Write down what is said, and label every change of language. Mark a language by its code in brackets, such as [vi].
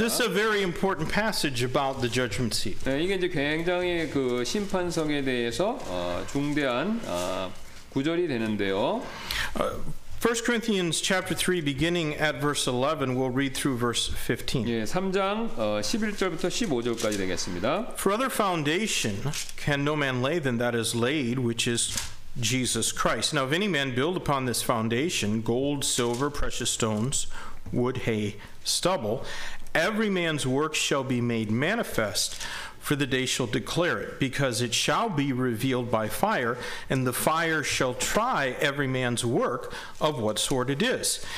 [en] This is a very important passage about the judgment seat. [ko] 예, 이게 이제 굉장히 그 심판석에 대해서 중대한 구절이 되는데요. [en] 1 Corinthians chapter 3 beginning at verse 11 we'll read through verse 15. [ko] 예, 3장 11절부터 15절까지 되겠습니다. [en] For other foundation can no man lay than that is laid which is Jesus Christ. Now if any man build upon this foundation gold, silver, precious stones, wood, hay, stubble, every man's work shall be made manifest. For the day shall declare it, because it shall be revealed by fire, and the fire shall try every man's work of what sort it is.